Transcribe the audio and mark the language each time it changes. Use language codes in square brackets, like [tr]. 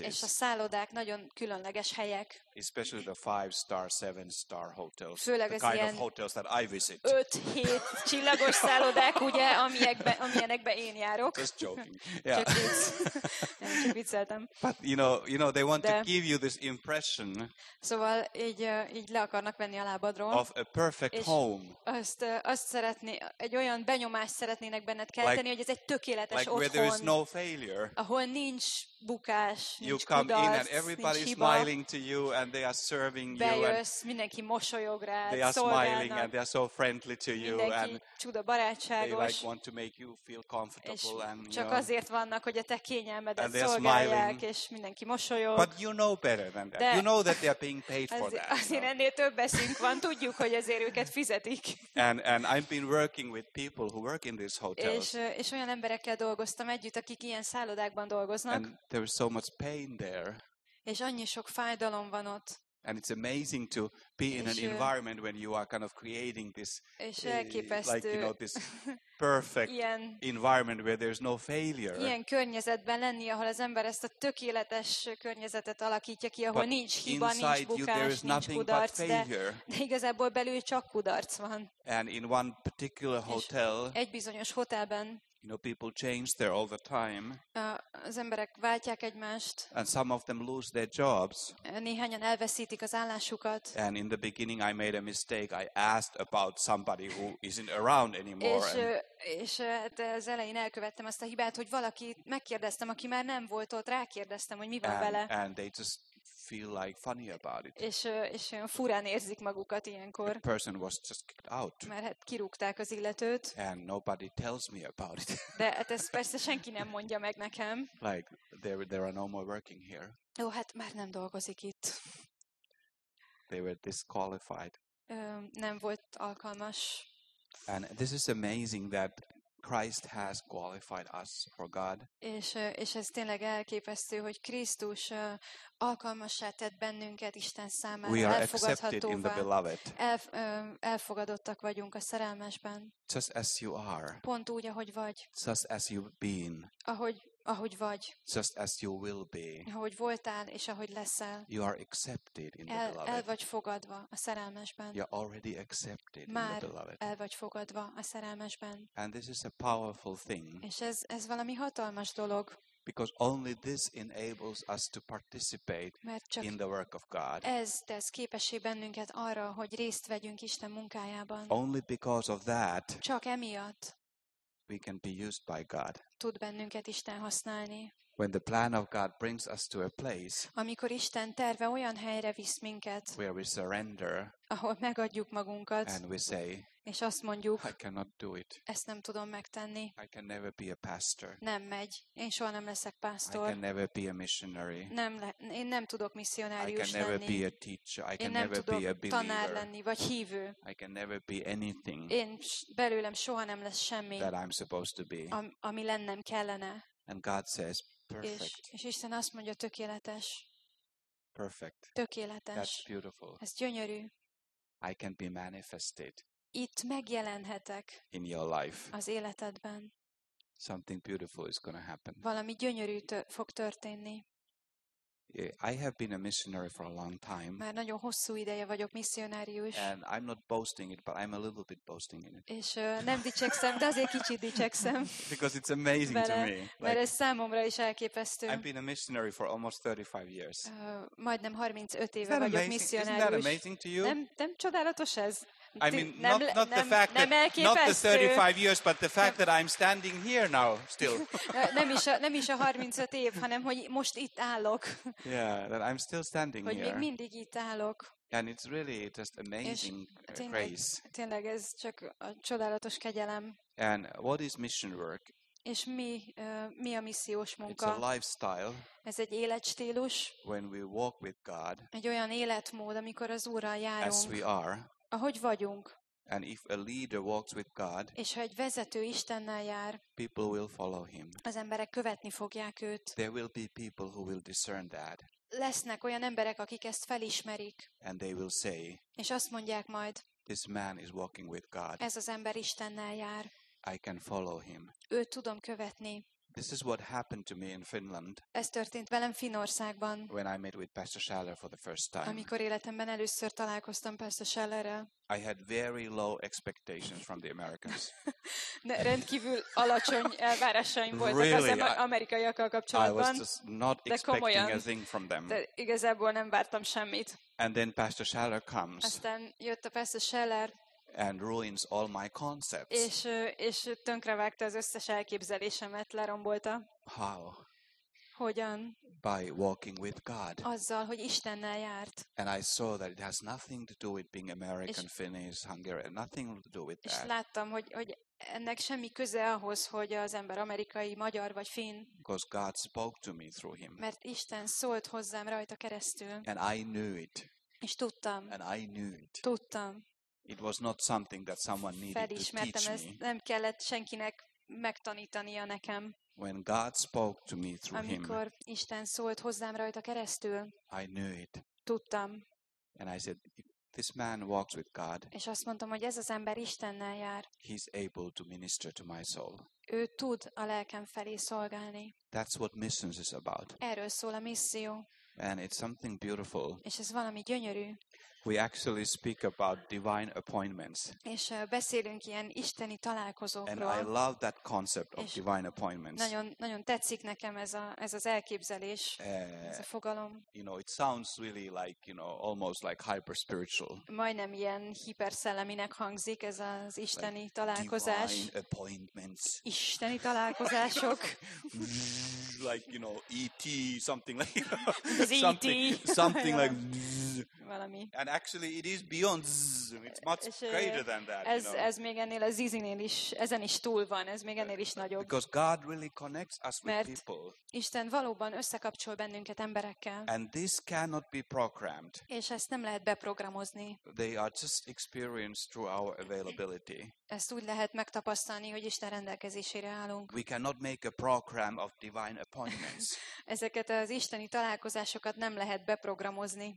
[hu] És a szállodák nagyon különleges helyek. [en] Especially the 5-star, 7-star hotels. [hu] Főleg [en] the kind of hotels that I visit. [hu] 5-7 csillagos szállodák, ugye, amilyenekben én járok. [en] Just joking. Yeah. [hu] Csak vicceltem. [en] But you know they want to give you this impression. [hu] Szóval így le akarnak venni a lábadról. [en] Of a perfect home. [hu] Azt szeretné, egy olyan benyomást szeretnének benned kelteni, [en] like, [hu] hogy ez egy tökéletes [en] like [hu] otthon. [en] Where there is no failure. [hu] Ahol nincs bukás, nincs [en] you come [hu] kudarc, [en] in and everybody is smiling to you and they are serving [hu] bejössz, [en] you. [hu] Mindenki mosolyog rá, [en] they are smiling and they are so friendly to you and [hu] csuda barátságos, [en] they like want to make you feel comfortable and [hu] csak azért vannak, hogy a te kényelmedet szolgálják és mindenki mosolyog. [en] But you know better than that. You know that they are being paid for that. [hu] Azért ennél több eszünk van, tudjuk, hogy ezért őket fizetik. [en] And I've been working with people who work in these hotels. [hu] És olyan emberekkel dolgoztam együtt, akik ilyen szállodákban dolgoznak. [en] And there is so much pain there. [hu] És annyi sok fájdalom van ott. [en] And it's amazing to be in an environment when you are kind of creating this, like you know, this perfect [hu] ilyen, [en] environment where there's no failure. [hu] Ilyen környezetben lenni, ahol az ember ezt a tökéletes környezetet alakítja ki, ahol [en] but [hu] nincs hiba, nincs bukás, nincs kudarc, de igazából belül csak kudarc van. [en] And in one particular hotel, [hu] egy bizonyos hotelben, [en] you know, people change there all the time. [hu] Az emberek váltják egymást. [en] And some of them lose their jobs. [hu] Néhányan elveszítik az állásukat. [en] And in the beginning I made a mistake. I asked about somebody who isn't around anymore. [hu] És az elején elkövettem azt a hibát, hogy valakit megkérdeztem, aki már nem volt ott, rákérdeztem, hogy mi van vele. [en] And they just feel like funny about it. [hu] És olyan furán érzik magukat ilyenkor. [en] The person was just kicked out. [hu] Mert hát kirúgták az illetőt. [en] And nobody tells me about it. [hu] De hát ezt persze senki nem mondja meg nekem. [en] Like there are no more working here. [hu] Ó, hát már nem dolgozik itt. [en] They were disqualified. [hu] Nem volt alkalmas. [en] And this is amazing that Christ has qualified us for God. [hu] És ez tényleg elképesztő, hogy Krisztus alkalmassá tett bennünket Isten számára. [en] We are accepted in the beloved. [hu] Elfogadottak vagyunk a szerelmesben. [en] Just as you are. [hu] Pont úgy, ahogy vagy. [en] Just as you've been. [hu] Ahogy vagy. [en] Just as you will be. [hu] Ahogy voltál és ahogy leszel. [en] You are accepted in the beloved. [hu] El vagy fogadva a szerelmesben. [en] You are already accepted [hu] Már [en] in the beloved. [hu] El vagy fogadva a szerelmesben. [en] And this is a powerful thing. [hu] És ez valami hatalmas dolog. [en] Because only this enables us to participate in the work of God. [hu] Ez tesz képessé bennünket arra, hogy részt vegyünk Isten munkájában. [en] Only because of that. [hu] Csak emiatt. [en] We can be used by God. [hu] Tud bennünket Isten használni. [en] When the plan of God brings us to a place. [hu] Amikor Isten terve olyan helyre visz minket. [en] Where we surrender. [hu] Ahol megadjuk magunkat. [en] And we say. [hu] És azt mondjuk. [en] I cannot do it. [hu] Ezt nem tudom megtenni. [en] I can never be a pastor. [hu] Nem megy. Én soha nem leszek pásztor. [en] I can never be a missionary. [hu] Én nem tudok missionárius lenni. [en] I can never be a teacher. I can never be a believer. [hu] Én nem tudok tanár lenni vagy hívő. [en] I can never be anything. [hu] Én belőlem soha nem lesz semmi. [en] That I'm supposed to be. [hu] Ami lennem kellene. [en] And God says, perfect. [hu] És Isten azt mondja, tökéletes. [en] Perfect. [hu] Tökéletes. [en] That's beautiful. [hu] Ez gyönyörű. [en] I can be manifested. [hu] Itt megjelenhetek. [en] In your life. [hu] Az életedben. [en] Something beautiful is going to happen. [hu] Valami gyönyörű fog történni. [en] I have been a missionary for a long time. [hu] Már nagyon hosszú ideje vagyok misszionárius. [en] And I'm not boasting it, but I'm a little bit boasting in it. [hu] És nem dicsekszem, de azért kicsit dicsekszem. [en] Because it's amazing to me. [hu] Mert ez számomra is elképesztő. [en] I've been a missionary for almost 35 years. [hu] Majdnem 35 éve vagyok misszionárius. [en] Isn't that amazing to you? [hu] Nem csodálatos ez? [en] I mean, not the fact that not the 35 years, but the fact that I'm standing here now still. [hu] nem is a 35 év, hanem hogy most itt állok. [en] Yeah, that I'm still standing [hu] hogy [en] here. [hu] Hogy még mindig itt állok. [en] And it's really just amazing grace. [hu] Tényleg ez csak a csodálatos kegyelem. [en] And what is mission work? [hu] És mi a missziós munka? [en] It's a lifestyle. [hu] Ez egy életstílus. [en] When we walk with God. [hu] Egy olyan életmód, amikor az Úrral járunk. [en] As we are. [hu] Ahogy vagyunk. [en] And if a leader walks with God, [hu] és ha egy vezető Istennel jár, [en] people will follow him. [hu] Az emberek követni fogják őt. [en] There will be people who will discern that. [hu] Lesznek olyan emberek, akik ezt felismerik. [en] And they will say, [hu] és azt mondják majd, [en] this man is walking with God. [hu] Ez az ember Istennel jár. [en] I can follow him. [hu] Őt tudom követni. [en] This is what happened to me in Finland. [hu] Ez történt velem Finnországban. [en] When I met with Pastor Schaller for the first time. [hu] Amikor életemben először találkoztam Pastor Schallerrel. [en] I had very low expectations from the Americans. [hu] De rendkívül alacsony elvárásaim voltak [en] really, [hu] az amerikaiakkal kapcsolatban. [en] I was just not expecting a thing from them. [hu] De igazából nem vártam semmit. [en] And then Pastor Schaller comes. [hu] Aztán jött a Pastor Schaller. [en] And ruins all my concepts. [hu] És tönkrevágta az összes elképzelésemet, lerombolta. [en] How? [hu] Hogyan? [en] By walking with God. [hu] Azzal, hogy Istennel járt. [en] And I saw that it has nothing to do with being American, Finnish, Hungarian, nothing to do with that. [hu] És láttam, hogy ennek semmi köze ahhoz, hogy az ember amerikai, magyar vagy finn. [en] Because God spoke to me through him. [hu] Mert Isten szólt hozzám rajta keresztül. [en] And I knew it. [hu] És tudtam. [en] And I knew it. [hu] Tudtam. [en] It was not something that someone needed to teach me. [hu] Felismertem, ezt nem kellett senkinek megtanítania nekem. [en] When God spoke to me through him. [hu] Amikor Isten szólt hozzám rajta keresztül. [en] I knew it. [hu] Tudtam. [en] And I said, this man walks with God. [hu] És azt mondtam, hogy ez az ember Istennel jár. [en] He's able to minister to my soul. [hu] Ő tud a lelkem felé szolgálni. [en] That's what missions is about. [hu] Erről szól a misszió. [en] And it's something beautiful. [hu] És ez valami gyönyörű. [en] We actually speak about divine appointments. [hu] És beszélünk ilyen isteni találkozókról. [en] And I love that concept of divine appointments. [hu] Nagyon nagyon tetszik nekem ez az elképzelés, ez a fogalom. [en] You know, it sounds really like, you know, almost like hyper spiritual. [hu] Majdnem ilyen hiperszelleminek hangzik ez az isteni találkozás. [en] Divine appointments. [hu] Isteni találkozások. [en] Like, you know, ET, something like something like [hu] valami. [en] And actually it is beyond zzz, it's much greater than that. [hu] Ez, [en] you know? [hu] Ez még ennél a zizinél is, ezen is túl van, ez még ennél is nagyobb. [en] Because God really connects us with people. [hu] Isten valóban összekapcsol bennünket emberekkel. [en] And this cannot be programmed. [hu] És ezt nem lehet beprogramozni. [en] They are just experienced through our availability. [hu] Ezt úgy lehet megtapasztalni, hogy Isten rendelkezésére állunk. [en] We cannot make a program of divine appointments. [hu] Ezeket az isteni találkozásokat nem lehet beprogramozni.